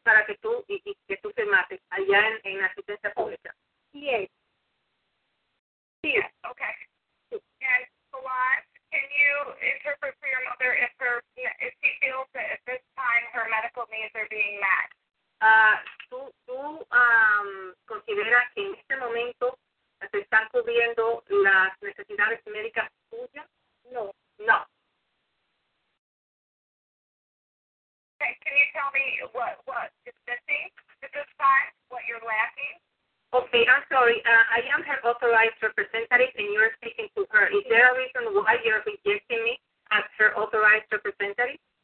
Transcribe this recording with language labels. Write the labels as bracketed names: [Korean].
[Spanish] para que tú, y que tú firmaste allá en asistencia pública. Sí. Sí. [English] Okay. And Solange, can you tell me what interpret for your mother if she feels that at this time her medical needs are being met? [Spanish] ¿Tú consideras que en este momento se están cubriendo las necesidades médicas tuyas? No. No. [English] Okay, can you tell me what is missing at this time, what you're lacking? Okay, I'm sorry. I am her authorized representative, and you're speaking to her. Is there a reason why you're rejecting me as her authorized representative?